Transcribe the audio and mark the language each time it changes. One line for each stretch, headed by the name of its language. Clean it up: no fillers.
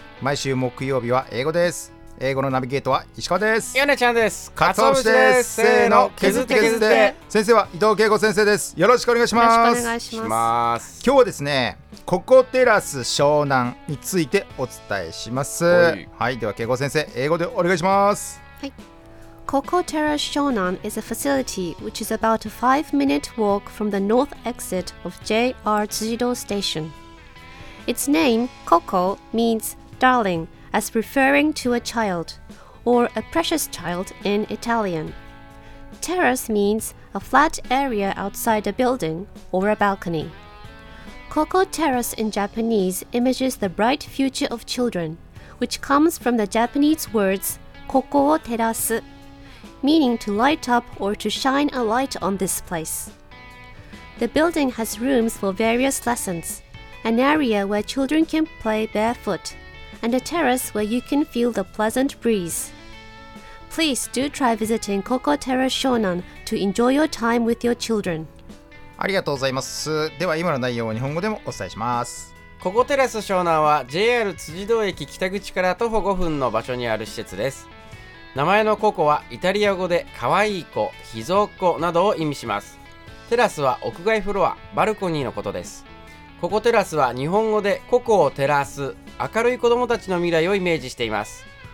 Japanese: 毎週木曜日は英語です。英語のナビゲートは石川です。ヨネちゃんです。カツオ節です。せーの、削って削って。先生は伊藤恵子先生です。よろしくお願いします。よろしくお願いします。今日はですね、ココテラス湘南についてお伝えします。はい、では恵子先生、英語でお願いします。
English: はい、Coco Terrace Shonan is a facility which is about a 5-minute walk from the north exit of JR Tsujido Station. Its name, Coco, means darling, as referring to a child, or a precious child in Italian. Terrace means a flat area outside a building or a balcony. Coco Terrace in Japanese images the bright future of children, which comes from the Japanese words
Japanese: Koko wo terasu,
English: meaning to light up or to shine a light on this place. The building has rooms for various lessons, an area where children can play barefoot, and a terrace where you can feel the pleasant breeze. Please do try visiting Coco Terrace Shonan to enjoy your time with your children.
Japanese: ありがとうございます。では今の内容を日本語でもお伝えします。 Coco Terrace Shonan は JR 辻堂駅北口から徒歩5分の場所にある施設です。名前のココはイタリア語で可愛い子、秘蔵子などを意味します。テラスは屋外フロア、バルコニーのことです。ココテラスは日本語でココを照らす、明るい子供たちの未来をイメージしています。